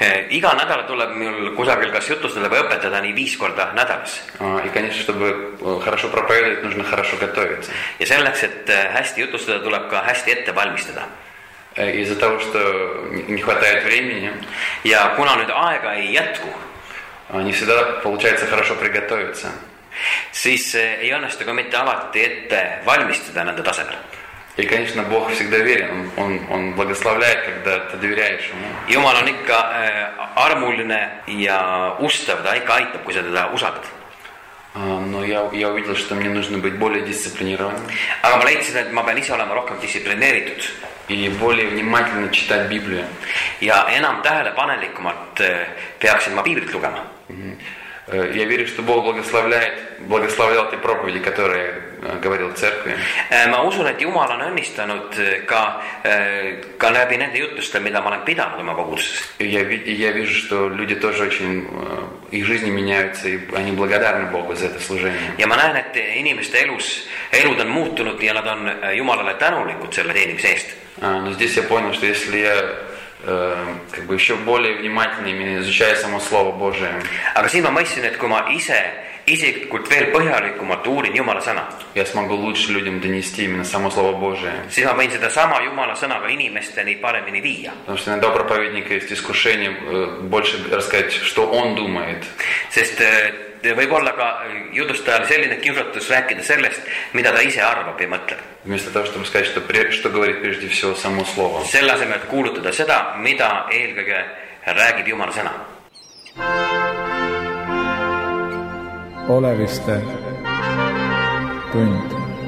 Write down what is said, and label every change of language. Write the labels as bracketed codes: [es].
[et] Iga nädala tuleb mul kusagil kas jutustada või õpetada nii 5 korda nädalas. [ru] И, конечно, чтобы хорошо проповедовать, нужно хорошо готовиться. [et] Ja selleks, et hästi jutustada, tuleb ka hästi ette valmistada. [ru] Из-за того, что не хватает времени. [et] Ja kuna nüüd aega ei jätku. [ru] Не всегда получается хорошо приготовиться. [et] Siis ei õnnestu ka mitte alati ette valmistada nende tasemel. [ru] И, конечно, Бог всегда верен. Он благословляет, когда ты доверяешь ему. [et] Jumal on ikka armuline ja ustav, ta ikka aitab, kui sa teda usadad. [ru] Но я увидел, что мне нужно быть более дисциплинированным. [et] Aga ma leidsin, et ma pean ise olema rohkem dissiplineeritud. [ru] И более внимательно читать Библию. [et] Ja enam tähelepanelikumalt peaksin ma Biiblit lugema. [ru] Я верю, что Бог благословлял те проповеди, которые говорил в церкви. [et] Ma usun, et Jumal on õnnistanud ka läbi nende jutuste, mida ma olen pidanud oma koguduses. [ru] Я вижу, что люди тоже очень, их жизни меняются, и они благодарны Богу за это служение. [et] Ja ma näen, et inimeste elud on muutunud ja nad on Jumalale tänulikud selle teenimise eest. [ru] Но здесь я понял, что если я как бы еще более внимательнее изучая само Слово Божие. [et] Aga siin ma mõtlesin, et kui ma isikult veel põhjalikumalt uurin Jumala sõna. [ru] Я смогу лучше людям донести именно само Слово Божие. [et] Siis ma võin seda sama Jumala sõna ka inimesteni paremini viia. [ru] Потому что иногда у проповедника есть искушение больше рассказать, что он думает. [et] Sest võib olla ka jutustajal selline kiusatus rääkida sellest, mida ta ise arvab ja mõtleb. [ru] Вместо того, чтобы сказать, что что говорит прежде всего само слово. [et] Selle asemel, et kuulutada seda, mida eelkõige räägib Jumala sõna. Oleviste tund.